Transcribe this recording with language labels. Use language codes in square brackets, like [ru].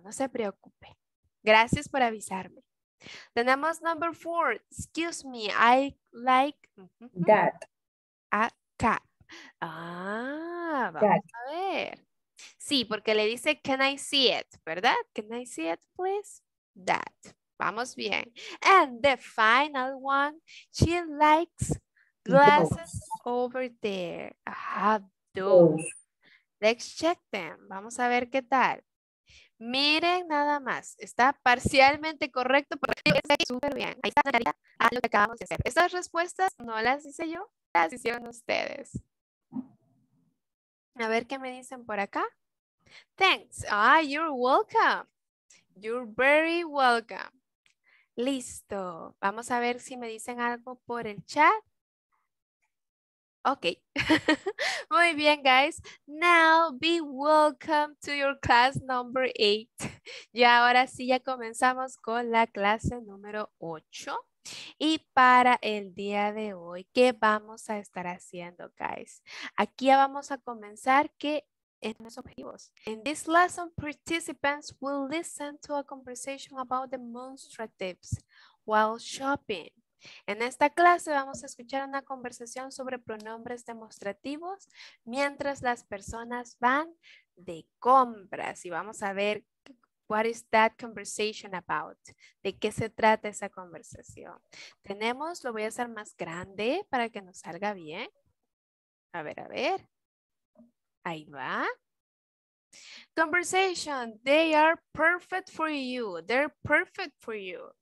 [es] No se preocupe. Gracias por avisarme. Tenemos [en] number four. Excuse me. I like that. A cat. [es] Vamos a ver. Sí, porque le dice [en] can I see it, [es] ¿verdad? [en] Can I see it, please? That. [es] Vamos bien. [en] And the final one, she likes glasses over there. Ajá, those. Let's check them. [es] Vamos a ver qué tal. Miren nada más. Está parcialmente correcto porque está súper bien. Ahí está la carita a lo que acabamos de hacer. Estas respuestas no las hice yo, las hicieron ustedes. A ver qué me dicen por acá. [en] Thanks. Ah, you're welcome. You're very welcome. [es] Listo. Vamos a ver si me dicen algo por el chat. Ok. Muy bien, guys. [en] Now, be welcome to your class number 8. [es] Y ahora sí, ya comenzamos con la clase número 8. Y para el día de hoy, ¿qué vamos a estar haciendo, guys? Aquí ya vamos a comenzar que en los objetivos. [en] In this lesson, participants will listen to a conversation about demonstratives while shopping. [es] En esta clase vamos a escuchar una conversación sobre pronombres demostrativos mientras las personas van de compras. Y vamos a ver [en] what is that conversation about? [es] ¿De qué se trata esa conversación? Tenemos, lo voy a hacer más grande para que nos salga bien. A ver. Ahí va. [en] Conversation, they are perfect for you. They're perfect for you.